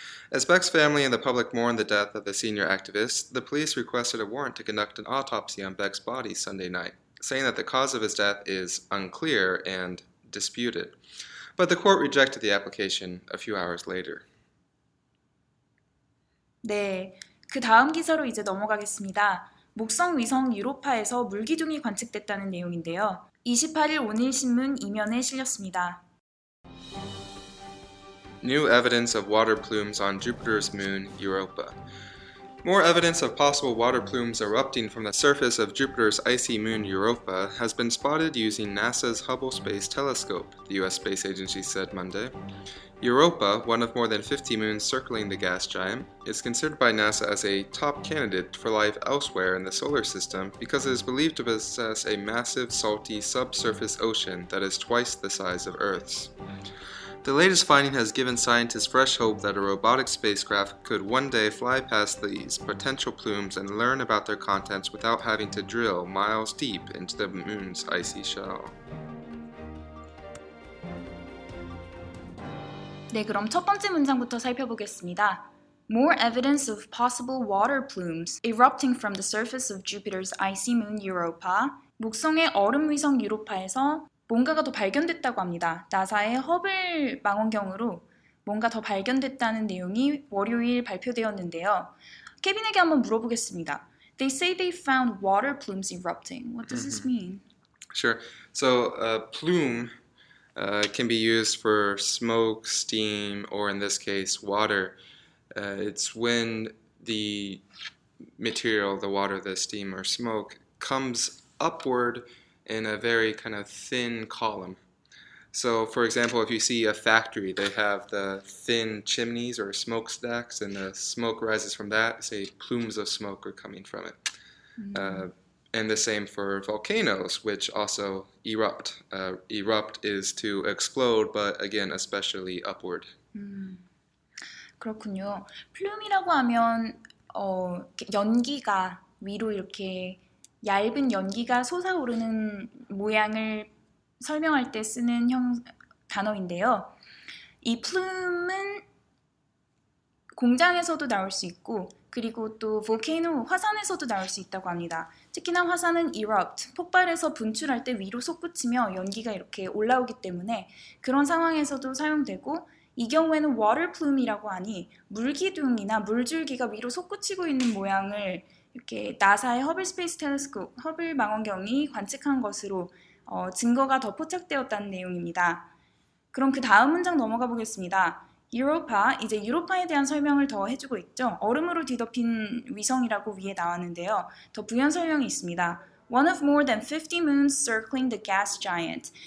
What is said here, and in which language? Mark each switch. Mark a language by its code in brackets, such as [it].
[en] As Beck's family and the public mourned the death of the senior activist, the police requested a warrant to conduct an autopsy on Beck's body Sunday night, saying that the cause of his death is unclear and disputed. But the court rejected the application a few hours later. [ko] 네, 그 다음 기사로 이제 넘어가겠습니다. 목성 위성 유로파에서 물기둥이 관측됐다는 내용인데요. 28일 오늘신문 2면에 실렸습니다. [en] New evidence of water plumes on Jupiter's moon Europa. More evidence of possible water plumes erupting from the surface of Jupiter's icy moon Europa has been spotted using NASA's Hubble Space Telescope, the U.S. Space Agency said Monday. Europa, one of more than 50 moons circling the gas giant, is considered by NASA as a top candidate for life elsewhere in the solar system because it is believed to possess a massive, salty subsurface ocean that is twice the size of Earth's. The latest finding has given scientists fresh hope that a robotic spacecraft could one day fly past these potential plumes and learn about their contents without having to drill miles deep into the moon's icy shell. [ko] 네, 그럼 첫 번째 문장부터 살펴보겠습니다. [en] More evidence of possible water plumes erupting from the surface of Jupiter's icy moon Europa. [ko] 목성의 얼음 위성 유로파에서 뭔가가 더 발견됐다고 합니다. NASA의 허블 망원경으로 뭔가 더 발견됐다는 내용이 월요일 발표되었는데요. 케빈에게 한번 물어보겠습니다. [en] They say they found water plumes erupting. What does this mean? Sure. So, plume It can be used for smoke, steam, or in this case, water. It's when the material, the water, the steam, or smoke, comes upward in a very kind of thin column. So, for example, if you see a factory, they have the thin chimneys or smokestacks, and the smoke rises from that, say plumes of smoke are coming from it. Mm-hmm. And the same for volcanoes, which also erupt. Erupt is to explode, but again, especially upward. [ko] 그렇군요. 플룸이라고 하면 연기가 위로 이렇게 얇은 연기가 솟아오르는 모양을 설명할 때 쓰는 단어인데요. 이 플룸은 공장에서도 나올 수 있고 그리고 또 볼케이노 화산에서도 나올 수 있다고 합니다. 특히나 화산은 erupt, 폭발해서 분출할 때 위로 솟구치며 연기가 이렇게 올라오기 때문에 그런 상황에서도 사용되고 이 경우에는 water plume이라고 하니 물기둥이나 물줄기가 위로 솟구치고 있는 모양을 이렇게 나사의 허블 스페이스 텔레스코프, 허블 망원경이 관측한 것으로 증거가 더 포착되었다는 내용입니다. 그럼 그 다음 문장 넘어가 보겠습니다. 유로파, 이제 유로파에 대한 설명을 더 해주고 있죠. 얼음으로 뒤덮인 위성이라고 위에 나왔는데요. 더 부연 설명이 있습니다. [en] One of more than 50 moons circling the gas giant.